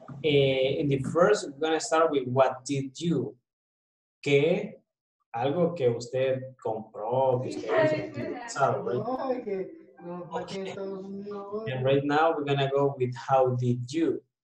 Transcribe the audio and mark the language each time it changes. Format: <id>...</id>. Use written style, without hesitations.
<en>In the first, we're gonna start with what did you?</en> <es>¿Qué? Algo que usted compró, que usted hizo, ¿sabes?</es> <en>Right? Okay. And right now, we're gonna go with how did you?</en>